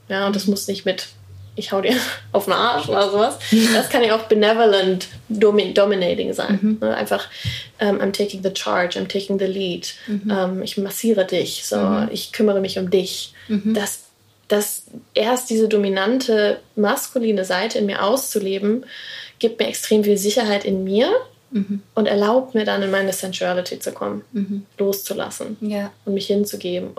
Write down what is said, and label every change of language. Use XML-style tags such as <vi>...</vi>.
<de>Ja, und das muss nicht mit, ich hau dir auf den Arsch oder sowas. Das kann ja auch</de> <en>benevolent dominating</en> <de>sein. Mhm.</de> <en>Einfach, I'm taking the charge, I'm taking the lead.</en> <de>Ich massiere dich, so, ich kümmere mich um dich. Das erst diese dominante, maskuline Seite in mir auszuleben, gibt mir extrem viel Sicherheit in mir. Und erlaubt mir dann, in meine Sensuality zu kommen, loszulassen und mich hinzugeben.</de>